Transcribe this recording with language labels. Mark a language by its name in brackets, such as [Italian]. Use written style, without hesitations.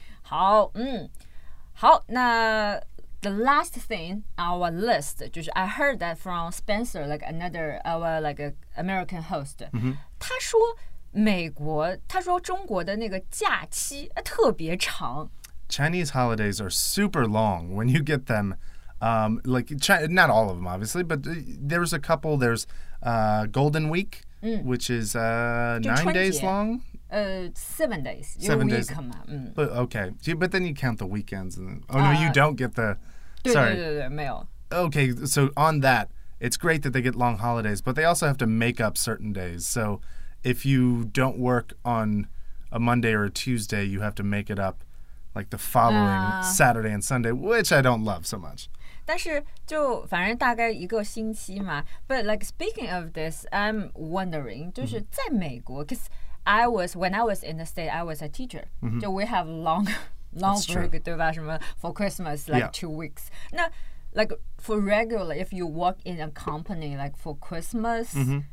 [English] 好, 好, 那 the last thing our list, [Chinese] 就是 [English] I heard that from Spencer, like another our like a American host. [Chinese] 他说美国，他说中国的那个假期特别长。 [English] Chinese holidays are super long when you get them. Not all of them, obviously, but there's a couple. There's Golden Week, which is 9 days long. 7 days. Seven days. Week, But then you count the weekends. You don't get the... [Chinese] 对，没有。 [English] Okay, so on that, it's great that they get long holidays, but they also have to make up certain days. So if you don't work on a Monday or a Tuesday, you have to make it up like the following Saturday and Sunday, which I don't love so much. [Chinese] 但是就反正大概一个星期嘛。 [English] But like speaking of this, I'm wondering, [Chinese] 就是在美国, [English] because when I was in the state, I was a teacher. Mm-hmm. 就 we have long break, [Chinese] 对吧?什么, [English] for Christmas, like 2 weeks. 那, like for regular, if you work in a company, like for Christmas, mm-hmm.